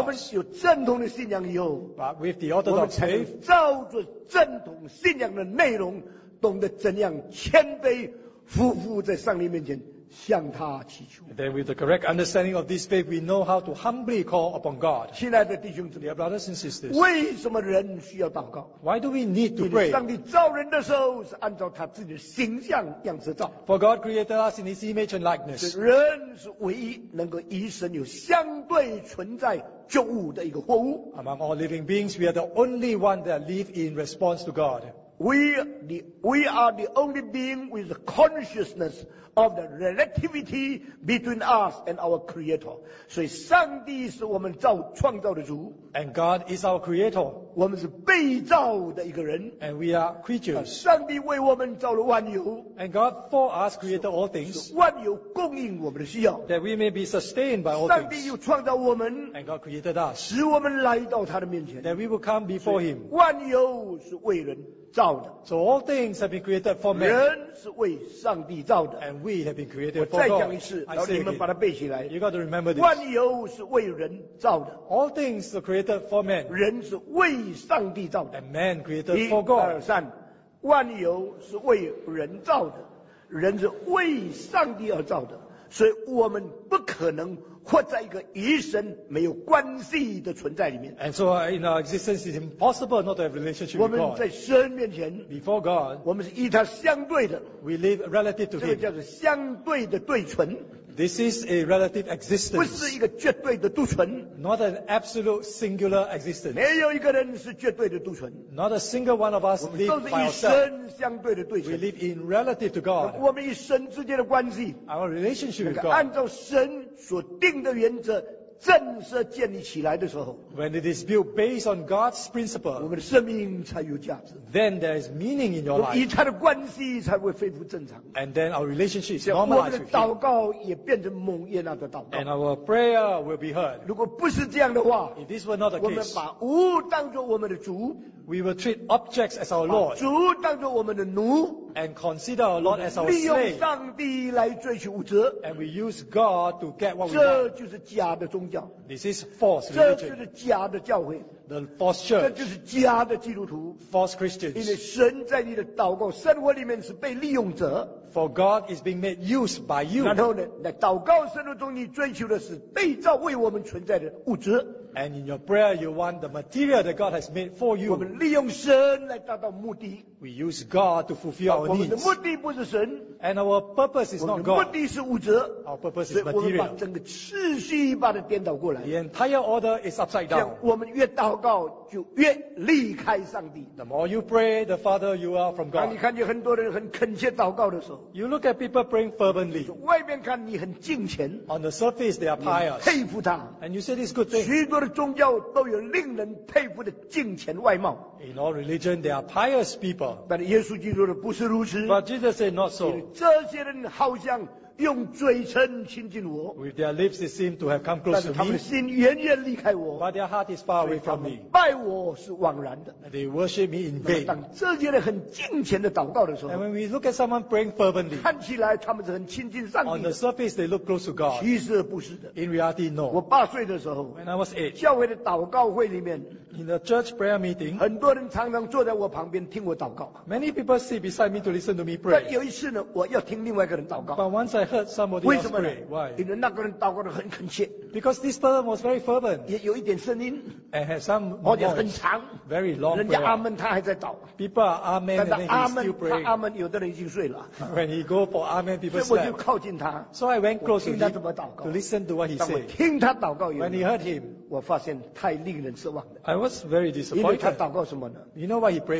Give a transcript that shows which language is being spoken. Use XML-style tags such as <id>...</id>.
<zh>我们有正统的信仰以后</zh> <en>，But with the orthodox faith,</en> <zh>我们才能照着正统信仰的内容，懂得怎样谦卑匍匐在上帝面前向他祈求。</zh> <en>Then with the correct understanding of this faith, we know how to humbly call upon God.</en> <zh>亲爱的弟兄姊妹</zh> <en>，brothers and sisters,</en> <zh>为什么人需要祷告</zh> <en>？Why do we need to pray?</en> <zh>上帝造人的时候是按照他自己的形象样式造。</zh> <en>For God created us in His image and likeness.</en> <zh>人是唯一能够与神有相对存在救物的一个活物。</zh> <en>Among all living beings, we are the only one that live in response to God. We are the only being with the consciousness of the relativity between us and our Creator.</en> <zh>所以上帝是我们造创造的主。</zh> <en>And God is our Creator.</en> <zh>我们是被造的一个人。</zh> <en>And we are creatures.</en> <zh>上帝为我们造了万有。</zh> <en>And God for us created all things.</en> <zh>万有供应我们的需要。</zh> <en>That we may be sustained by all things.</en> <zh>上帝又创造我们。</zh> <en>And God created us.</en> <zh>使我们来到他的面前。</zh> <en>That we will come before Him.</en> <zh>万有是为人。</zh> <en>So all things have been created for man.</en> <zh>人是为上帝造的。</zh> <en>And we have been created for God.</en> <zh>我再讲一次，然后你们把它背起来。</zh> <en>You got to remember this.</en> <zh>万有是为人造的。</zh> <en>All things are created for man.</en> <zh>人是为上帝造的。</zh> <en>And man created for God.</en> <zh>一二三，万有是为人造的，人是为上帝而造的，所以我们不可能活在一个与神没有关系的存在里面。</zh> <en>And so in our existence is impossible not to have relationship with God.</en> <zh>我们在神面前</zh> <en>，before God，</en> <zh>我们是与他相对的。</zh> <en>We live relative to Him.</en> <zh>这个叫做相对的对存。</zh> <en>This is a relative existence.</en> <zh>不是一个绝对的独存。</zh> <en>Not an absolute singular existence.</en> <zh>没有一个人是绝对的独存。</zh> <en>Not a single one of us live by ourselves.</en> <zh>都是与神相对的对存。</zh> <en>We live in relative to God.</en> <zh>我们与神之间的关系</zh> <en>，our relationship with God，</en> <zh>按照神所定的原则正式建立起来的时候</zh> <en>，When it is built based on God's principle，</en> <zh>我们的生命才有价值。</zh> <en>Then there is meaning in your life，</en> <zh>与他的关系才会恢复正常。</zh> <en>And then our relationship is normalized with Him。</en> <zh>我们的祷告也变成蒙悦纳的祷告。</zh> <en>And our prayer will be heard。</en> <zh>如果不是这样的话</zh> <en>，If this were not the case，</en> <zh>我们把物当作我们的主</zh> <en>，We will treat objects as our Lord。</en> <zh>把主当作我们的奴。</zh> <en>And consider our Lord as our slave.</en> <zh>利用上帝来追求物质。</zh> <en>And we use God to get what we want.</en> <zh>这就是假的宗教。</zh> <en>This is false religion.</en> <zh>这就是假的教会。</zh> <en>The false church.</en> <zh>这就是假的基督徒。</zh> <en>False Christians.</en> <zh>因为神在你的祷告生活里面是被利用者。</zh> <en>For God is being made use by you.</en> <zh>然后呢，在祷告生活中你追求的是被造为我们存在的物质。</zh> <en>And in your prayer, you want the material that God has made for you.</en> <zh>我们利用神来达到目的。</zh> <en>We use God to fulfill our needs.</en> <zh>我们的目的不是神。</zh> <en>And our purpose is not God.</en> <zh>我们的目的是物质。</zh> <en>Our purpose is material.</en> <zh>所以我们把整个次序把它颠倒过来。</zh> <en>The entire order is upside down.</en> <zh>我们越祷告就越离开上帝。</zh> <en>The more you pray, the farther you are from God.</en> <zh>当你看见很多人很恳切祷告的时候</zh> <en>，You look at people praying fervently.</en> <zh>外面看你很敬虔。</zh> <en>On the surface, they are pious.</en> <zh>佩服他。</zh> <en>And you say this good thing.</en> <zh>许多的宗教都有令人佩服的敬虔外貌。</zh> <en>In all religion, there are pious people.</en> <zh>但耶稣基督的不是如此。</zh> <en>But Jesus said not so.</en> <zh>这些人好像用嘴唇亲近我。</zh> <en>With their lips, they seem to have come close to me.</en> <zh>但是他们的心远远离开我。</zh> <en>But their heart is far away from me.</en> <zh>拜我是枉然的。</zh> <en>They worship me in vain.</en> <zh>当这些人很敬虔的祷告的时候</zh> <en>，And when we look at someone praying fervently,</en> <zh>看起来他们是很亲近上帝。</zh> <en>On the surface, they look close to God.</en> <zh>其实不是的。</zh> <en>In reality, no.</en> <zh>我八岁的时候</zh> <en>，When I was eight,</en> <zh>教会的祷告会里面。</zh> <en>In the church prayer meeting,</en> <zh>很多人常常坐在我旁边听我祷告。</zh> <en>Many people sit beside me to listen to me pray.</en> <zh>但有一次呢，我要听另外一个人祷告。</zh> <en>But once I heard somebody else pray, why?</en> <zh>因为那个人祷告得很恳切。</zh> <en>Because this person was very fervent.</en> <zh>也有一点声音。</zh> <en>And had some voice.</en> <zh>而且很长。</zh> <en>Very long prayer.</en> <zh>人家阿门，他还在祷。</zh> <en>People are amen and he's still praying.</en> <zh>但是阿门，他阿门，有的人已经睡了。</zh> <en>When he go for amen, people slept.</en> <zh>所以我就靠近他。</zh> <en>So I went close to him.</en> <zh>听他怎么祷告。</zh> <en>To listen to what he said.</en> <zh>当我听他祷告以后。</zh> <en>When he heard him.</en> <zh>我发现太令人失望了。</zh> <en>I was very disappointed.</en> <zh>因为他祷告什么呢</zh> <en>？You know what he prayed for?</en>